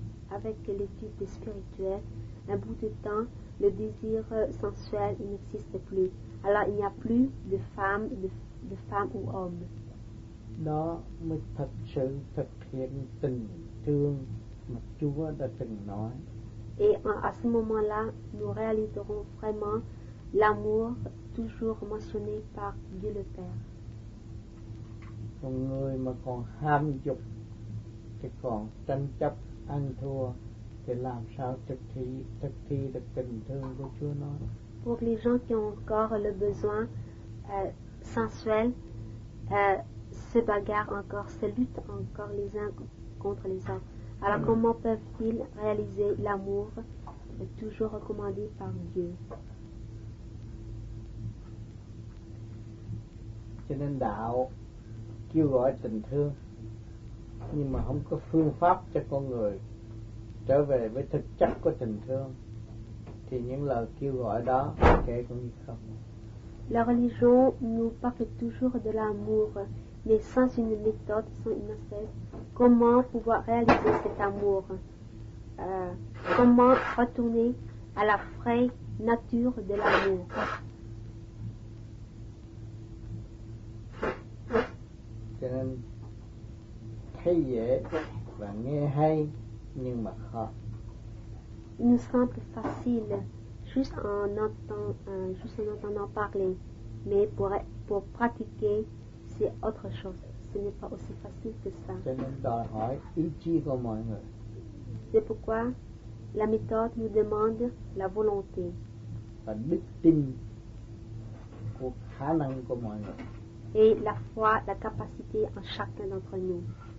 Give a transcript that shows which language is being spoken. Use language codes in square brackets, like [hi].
[fr] Avec l'étude spirituelle, un bout de temps, le désir sensuel n'existe plus. Alors il n'y a plus de femme, de femme ou homme. [vi] Đó mới thật sự thực hiện tình thương mà Chúa đã từng nói. [fr] Et à ce moment-là, nous réaliserons vraiment l'amour toujours mentionné par Dieu le Père. [vi] Còn người mà còn ham dục, thì còn tranh chấp, ăn thua, thì làm sao thực thi được tình thương của Chúa nói. [fr] Pour les gens qui ont encore le besoin sensuel, se bagarrent encore, se luttent encore les uns contre les autres. Alors comment peuvent-ils réaliser l'amour toujours recommandé par Dieu? [vi] Cho nên đạo kêu gọi tình thương, nhưng mà không có phương pháp cho con người trở về với thực chất của tình thương, thì những lời kêu gọi đó kể cũng như không. [fr] La religion nous parle toujours de l'amour, mais sans une méthode, sans une espèce, comment pouvoir réaliser cet amour? Comment retourner à la vraie nature de l'amour? [vi] Cho nên thấy dễ và nghe hay, nhưng mà khó. [fr] Il nous semble facile juste en entendant parler, mais pour pratiquer, c'est autre chose. Ce n'est pas aussi facile que ça. [vi] Cho nên đòi hỏi ý chí của mọi người. [fr] C'est pourquoi la méthode nous demande la volonté. [vi] Và đức tin của khả năng của mọi người. [fr] Et la foi, la capacité en chacun d'entre nous.